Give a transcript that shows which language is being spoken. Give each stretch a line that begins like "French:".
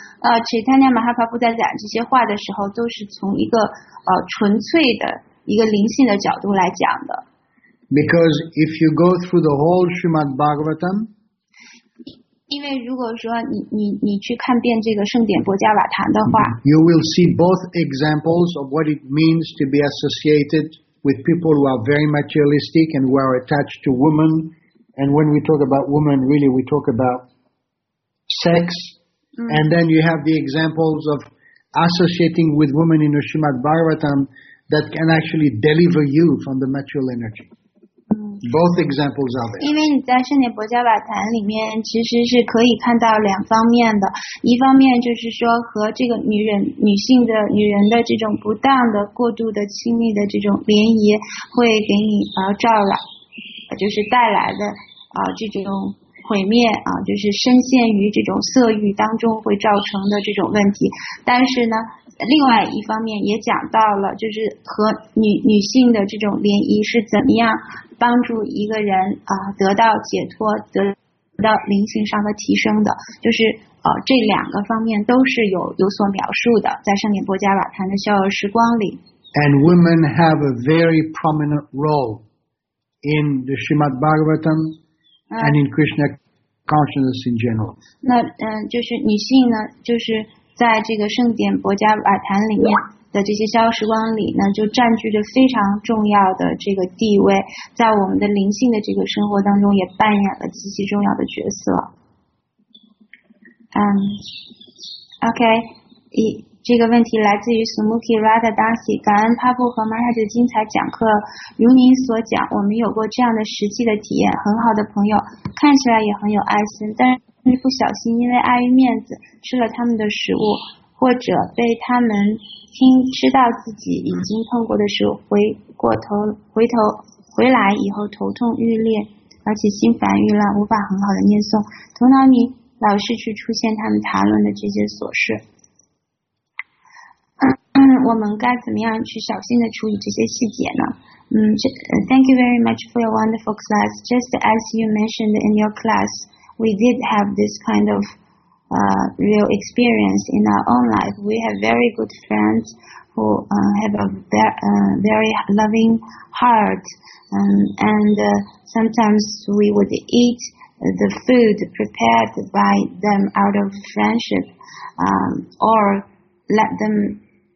Chinese: Chaitanya Mahaprabhu 在讲这些话的时候，都是从一个纯粹的一个灵性的角度来讲的。
English: Because if you go through the whole Srimad Bhagavatam,
Chinese: 因为如果说你去看遍这个圣典波迦瓦坛的话
English: ，you will see both examples of what it means to be associated with people who are very materialistic and who are attached to women. And when we talk about women, really we talk about sex.、嗯、 and then you have the examples of associating with women in the Srimad Bhagavatam that can actually deliver you from the material energy. Both examples of it.
Chinese: 因为你在圣典波迦瓦坛里面其实是可以看到两方面的，一方面就是说和这个女人的这种不当的过度的亲密的这种联谊会给你招来就是带来的这种毁灭就是深陷于这种色欲当中会造成的这种问题。但是呢另外一方面也讲到了就是和女性的这种联谊是怎么样帮助一个人得到解脱得到灵性上的提升的，就是这两个方面都是有所描述的，在圣典波迦瓦坛的逍遥时光里。
English: And women have a very prominent role in the Srimad Bhagavatam and in Krishna consciousness in general.
Chinese: 那就是女性呢就是在这个圣典波迦瓦坛里面的这些逍遥时光里呢就占据着非常重要的这个地位，在我们的灵性的这个生活当中也扮演了极其重要的角色。 OK， 这个问题来自于 Smoky Radha Dasi， 感恩 Papu 和 Maharaj 的精彩讲课，如您所讲我们有过这样的实际的体验，很好的朋友看起来也很有爱心，但是不小心因为碍于面子吃了他们的食物，或者被他们知道自己已经碰过的时候回来以后头痛欲裂，而且心烦欲乱，无法很好的念诵，头脑里老是去出现他们谈论的这些琐事。我们该怎么样去小心的处理这些细节呢？
English: Thank you very much for your wonderful class. Just as you mentioned in your class, we did have this kind ofreal experience in our own life. We have very good friends who have a very loving heart, and sometimes we would eat the food prepared by them out of friendship, or let them